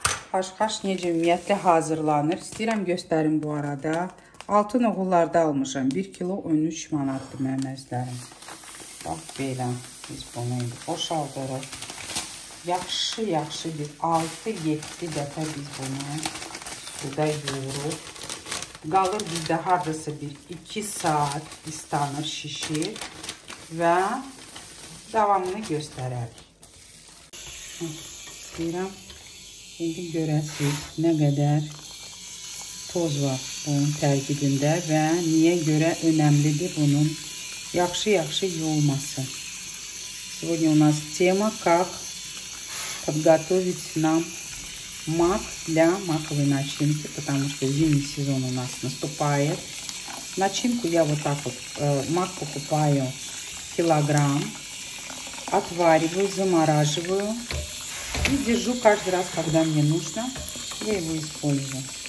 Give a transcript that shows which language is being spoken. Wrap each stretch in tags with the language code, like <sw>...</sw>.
<az>Xaş-xaş necə ümumiyyətlə hazırlanır? İstəyirəm göstərim bu arada. Altın oğullarda almışam. 1 kilo 13 manatdır məməzlərim. Bax belə. Biz bunu indi boşaldırıq. Yaxşı-yaxşı bir 6-7 dəfə biz bunu suda yoğuruq. Qalır bizdə haradasa bir 2 saat istanır, şişir. Və davamını göstərərik. İstəyirəm. İndi görəsiniz nə qədər toz var bunun tərkibində və niyə görə önəmlidir bunun yaxşı-yaxşı yoğulması.</az> <ru>Сегодня у нас тема, как подготовить нам мак для маковой начинки, потому что зимний сезон у нас наступает. Начинку я вот так вот, мак покупаю килограмм, отвариваю, замораживаю и держу каждый раз, когда мне нужно, я его использую.</ru>